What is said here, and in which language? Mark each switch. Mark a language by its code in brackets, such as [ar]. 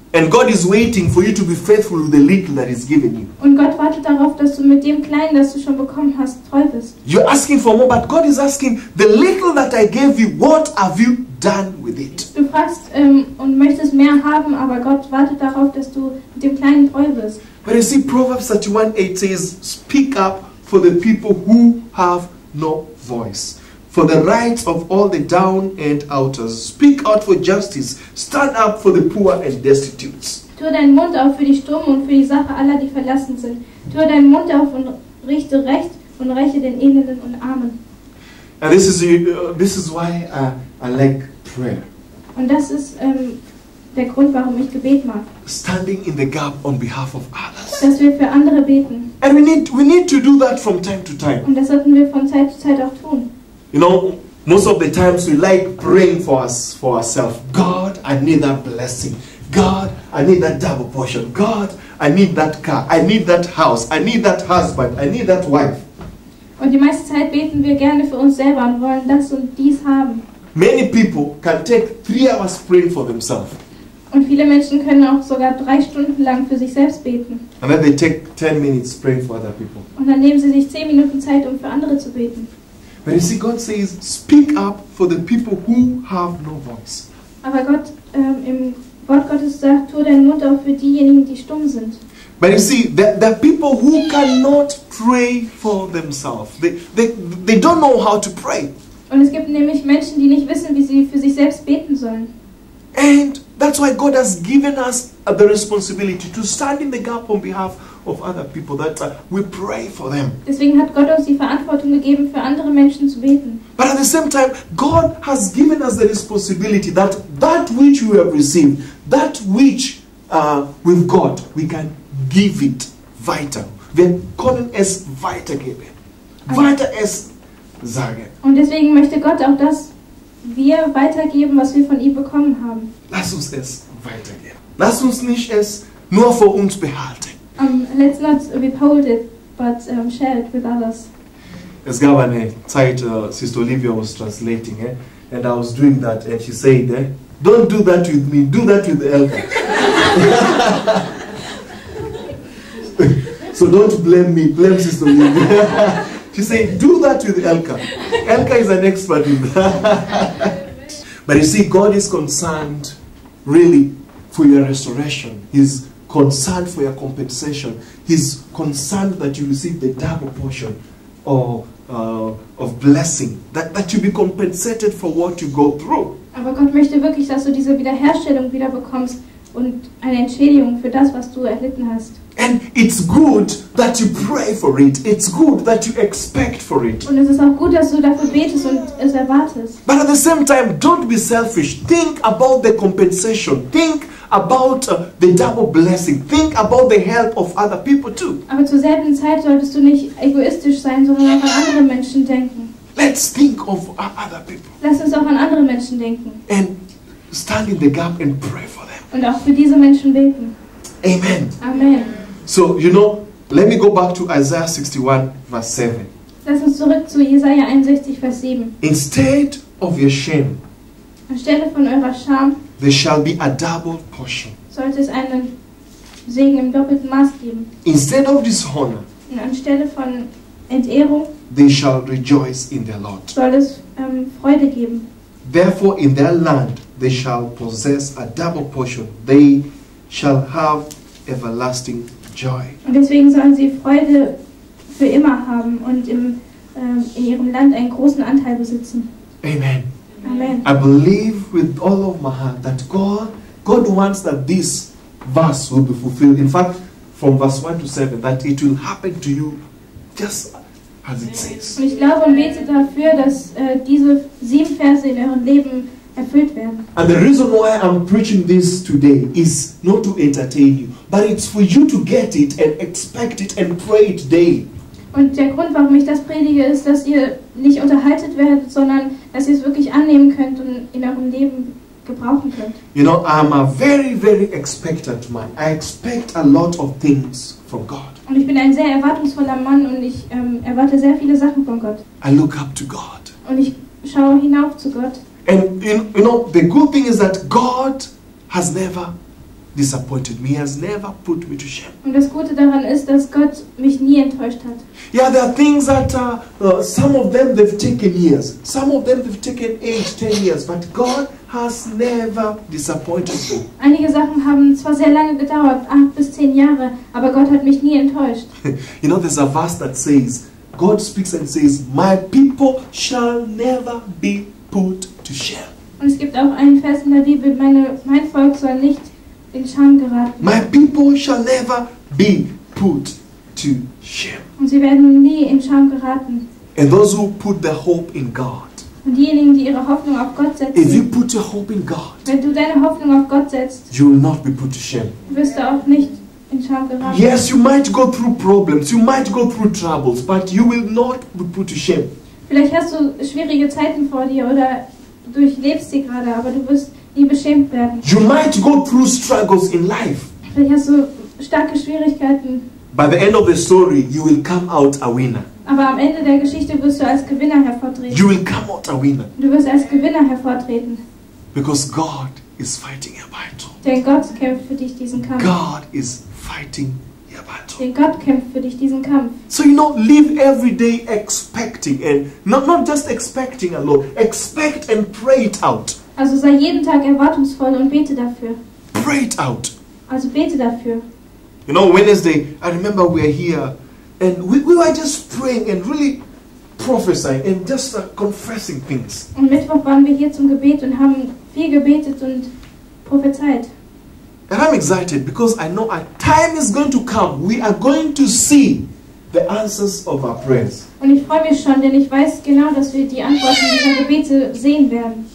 [en] And God is waiting for you to be faithful with the little that He's given you. [de] Und Gott wartet darauf, dass du mit dem Kleinen, das du schon bekommen hast, treu bist. [en] You're asking for more, but God is asking, the little that I gave you, what have you done with it? [de] Du fragst und möchtest mehr haben, aber Gott wartet darauf, dass du mit dem Kleinen treu bist. [en] But you see, Proverbs 31:8 says, "Speak up for the people who have no voice, for the rights of all the down and outers. Speak out for justice. Stand up for the poor and destitute." [de] Tu deinen Mund auf für die Stummen und für die Sache aller, die verlassen sind. Tu deinen Mund auf und richte Recht und räche den Elenden und Armen. [en] And this is why I like prayer. [de] Und das ist der Grund, warum ich Gebet mag. [en] Standing in the gap on behalf of others. [de] Dass wir für andere beten. [en] And we need to do that from time to time. [de] Und das sollten wir von Zeit zu Zeit auch tun. [en] You know, most of the times we like praying for us, for ourselves. God, I need that blessing. God, I need that double portion. God, I need that car. I need that house. I need that husband. I need that wife. [de] Und die meiste Zeit beten wir gerne für uns selber und wollen das und dies haben. [en] Many people can take 3 hours praying for themselves. [de] Und viele Menschen können auch sogar 3 Stunden lang für sich selbst beten. [en] And then they take 10 minutes praying for other people. [de] Und dann nehmen sie sich 10 Minuten Zeit, um für andere zu beten. [en] But you see, God says, "Speak up for the people who have no voice." [de] Aber Gott im Wort Gottes sagt, tu deinen Mund auf für diejenigen, die stumm sind. [en] But you see, there are people who cannot pray for themselves. They don't know how to pray. [de] Und es gibt nämlich Menschen, die nicht wissen, wie sie für sich selbst beten sollen. [en] And that's why God has given us the responsibility to stand in the gap on behalf of other people, that we pray for them. [de] Deswegen hat Gott uns die Verantwortung gegeben, für andere Menschen zu beten. [en] But at the same time, God has given us the responsibility that which we have received, that which we've got, we can give it [de] weiter. Wir können es weitergeben. Weiter es sagen. Und deswegen möchte Gott auch, dass wir weitergeben, was wir von ihm bekommen haben. Lass uns es weitergeben. Lass uns nicht es nur für uns behalten. [en] Let's not withhold it, but share it with others. [de] Es gab eine Zeit, [en] Sister Olivia was translating, and I was doing that, and she said, "Don't do that with me, do that with the elders." So don't blame me, blame Sister Olivia. She said, "Do that with Elka. Elka is an expert in that." But you see, God is concerned, really, for your restoration. He's concerned for your compensation. He's concerned that you receive the double portion of blessing. That you be compensated for what you go through. [de] Aber Gott möchte wirklich, dass du diese Wiederherstellung wieder bekommst, und eine Entschädigung für das, was du erlitten hast. [en] And it's good that you pray for it. It's good that you expect for it. [de] Und es ist auch gut, dass du dafür betest und es erwartest. [en] But at the same time, don't be selfish. Think about the compensation. Think about the double blessing. Think about the help of other people too. [de] Aber zur selben Zeit solltest du nicht egoistisch sein, sondern auch an andere Menschen denken. [en] Let's think of other people. [de] Lass uns auch an andere Menschen denken. [en] And stand in the gap and pray for them. [de] Und auch für diese Menschen beten. [en] Amen. [de] Amen. [en] So, you know, let me go back to Isaiah 61, verse 7. [de] Lass uns zurück zu Jesaja 61, Vers 7. [en] Instead of your shame, [de] anstelle von eurer Scham, [en] there shall be a double portion. [de] Sollte es einen Segen im doppelten Maß geben. [en] Instead of dishonor, [de] anstelle von Entehrung, [en] they shall rejoice in their Lord. [de] Soll es Freude geben. [en] Therefore, in their land, they shall possess a double portion. They shall have everlasting joy. [de] Und deswegen sollen sie Freude für immer haben und in ihrem Land einen großen Anteil besitzen. [en] Amen. [de] Amen. [en] I believe with all of my heart that God wants that this verse will be fulfilled. In fact, from verse 1 to 7, that it will happen to you just as it says. [de] Und ich glaube und bete dafür, dass diese 7 Verse in eurem Leben erfüllt werden. [en] And the reason why I'm preaching this today is not to entertain you, but it's for you to get it and expect it and pray it daily. [de] Und der Grund, warum ich das predige, ist, dass ihr nicht unterhalten werdet, sondern dass ihr es wirklich annehmen könnt und in eurem Leben gebrauchen könnt. [en] You know, I'm a very, very expectant man. I expect a lot of things from God. [de] Und ich bin ein sehr erwartungsvoller Mann und ich erwarte sehr viele Sachen von Gott. [en] I look up to God. [de] Und ich schaue hinauf zu Gott. [en] And you know, the good thing is that God has never disappointed me. He has never put me to shame. [de] Und das Gute daran ist, dass Gott mich nie enttäuscht hat. [en] Yeah, there are things that some of them they've taken years. Some of them they've taken 8, 10 years. But God has never disappointed me. [de] Einige Sachen haben zwar sehr lange gedauert, 8 bis 10 Jahre, aber Gott hat mich nie enttäuscht. [en] You know, there's a verse that says, God speaks and says, my people shall never be put to shame. [de] Und es gibt auch einen Vers in der Bibel, mein Volk soll nicht in Scham geraten. [en] My people shall never be put to shame. [de] Und sie werden nie in Scham geraten. [en] And those who put their hope in God. [de] Und diejenigen, die ihre Hoffnung auf Gott setzen. [en] If you put your hope in God. [de] Wenn du deine Hoffnung auf Gott setzt. [en] You will not be put to shame. [de] Wirst du auch nicht in Scham geraten. [en] Yes, you might go through problems. You might go through troubles, but you will not be put to shame. [de] Vielleicht hast du schwierige Zeiten vor dir oder durchlebst sie gerade, aber du wirst nie beschämt werden. [en] You might go through struggles in life. [de] Vielleicht hast du starke Schwierigkeiten. [en] By the end of the story, you will come out a winner. [de] Aber am Ende der Geschichte wirst du als Gewinner hervortreten. [en] You will come out a winner. [de] Du wirst als Gewinner hervortreten. [en] Because God is fighting your battle. [de] Denn Gott kämpft für dich diesen Kampf. [en] God is fighting your battle. [de] Denn Gott kämpft für dich diesen Kampf. [en] So you know, live every day expecting and not just expecting alone. Expect and pray it out. [de] Also sei jeden Tag erwartungsvoll und bete dafür. [en] Pray it out. [de] Also bete dafür. [en] You know, Wednesday, I remember we were here and we were just praying and really prophesying and just confessing things. [de] Und Mittwoch waren wir hier zum Gebet und haben viel gebetet und prophezeit. [en] And I'm excited because I know a time is going to come. We are going to see the answers of our prayers. [de] Und ich freue mich schon, denn ich weiß genau, dass wir die Antworten dieser Gebete sehen werden.